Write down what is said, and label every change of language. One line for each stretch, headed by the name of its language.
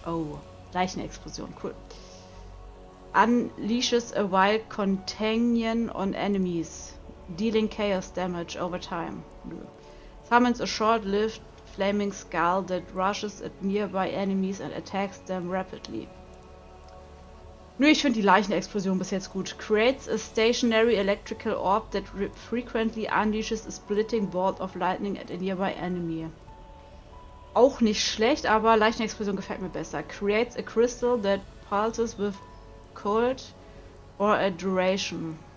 English: Oh, Leichenexplosion, cool. Unleashes a wild contagion on enemies, dealing chaos damage over time. Summons a short-lived flaming skull that rushes at nearby enemies and attacks them rapidly.
German: Nur ich finde die Leichenexplosion bis jetzt gut.
English: Creates a stationary electrical orb that frequently unleashes a splitting bolt of lightning at a nearby enemy.
German: Auch nicht schlecht, aber Leichenexplosion gefällt mir besser.
English: Creates a crystal that pulses with cold or a duration.